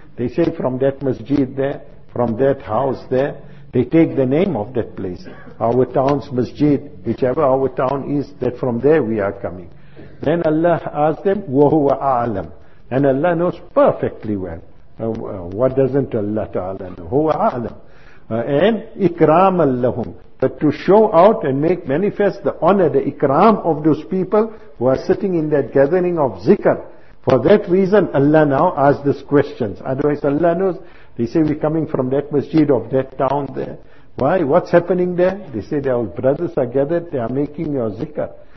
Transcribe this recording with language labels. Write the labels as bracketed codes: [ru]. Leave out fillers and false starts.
[en] They say, from that masjid there, from that house there. They take the name of that place. Our town's masjid, whichever our town is, that from there we are coming. Then Allah asks them, [ar] وَهُوَ أَعْلَمْ. [en] And Allah knows perfectly well. What doesn't Allah Ta'ala know? [ar] هُوَ أَعْلَمْ. [en] And [ar] إِكْرَامًا لَهُمْ. [en] But to show out and make manifest the honor, the ikram of those people who are sitting in that gathering of zikr. For that reason, Allah now asks these questions. Otherwise Allah knows. They say, we're coming from that masjid of that town there. Why? What's happening there? They say, their brothers are gathered, they are making your zikr.